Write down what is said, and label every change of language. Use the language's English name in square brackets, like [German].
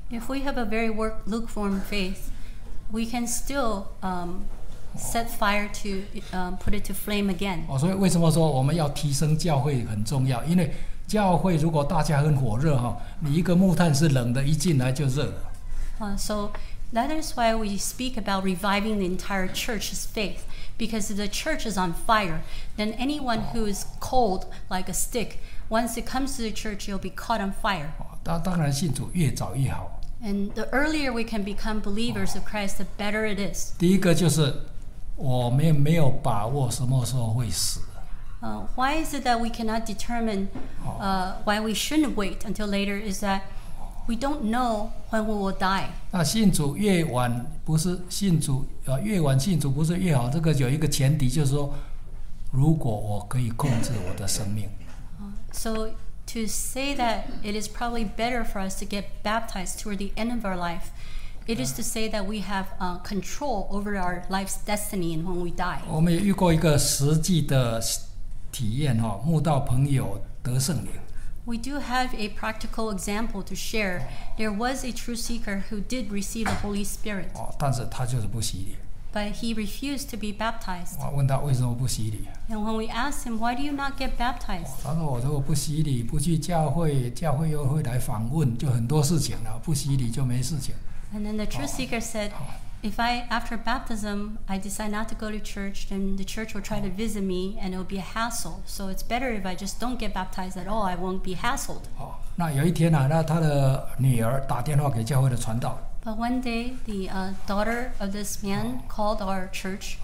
[English] If we have a very lukewarm faith, we can still set fire to put it to flame again. [Chinese] 所以为什么说我们要提升教会很重要？因为教会如果大家很火热哈，你一个木炭是冷的，一进来就热了。 [English] So that is why we speak about reviving the entire church's faith. Because if the church is on fire, then anyone who is cold like a stick, once it comes to the church, you'll be caught on fire. [Chinese] 当然信主越早越好。 [English] And the earlier we can become believers of Christ, the better it is. [Chinese] 第一个就是我们没有把握什么时候会死。 [English] Why is it that we cannot determine why we shouldn't wait until later is that we don't know when we will die. [Chinese] 那信主越晚不是信主越晚信主不是越好，这个有一个前提，就是说如果我可以控制我的生命。 [English] So to say that it is probably better for us to get baptized toward the end of our life, it is to say that we have control over our life's destiny and when we die. [Chinese] 我们也遇过一个实际的体验，慕道朋友得圣灵。 [English] We do have a practical example to share. There was a true seeker who did receive the Holy Spirit. [Chinese] 哦，但是他就是不洗礼。 [English] But he refused to be baptized. [Chinese] 我问他为什么不洗礼。 [English] And when we asked him, why do you not get baptized? [Chinese] 他说我如果不洗礼，不去教会，教会又会来访问，就很多事情了，不洗礼就没事情。 [English] And then the true seeker said, if I, after baptism, I decide not to go to church, then the church will try to visit me and it will be a hassle. So it's better if I just don't get baptized at all, I won't be hassled. [Chinese] 那有一天啊，那他的女儿打电话给教会的传道。 [English] But one day, the daughter of this man called our church.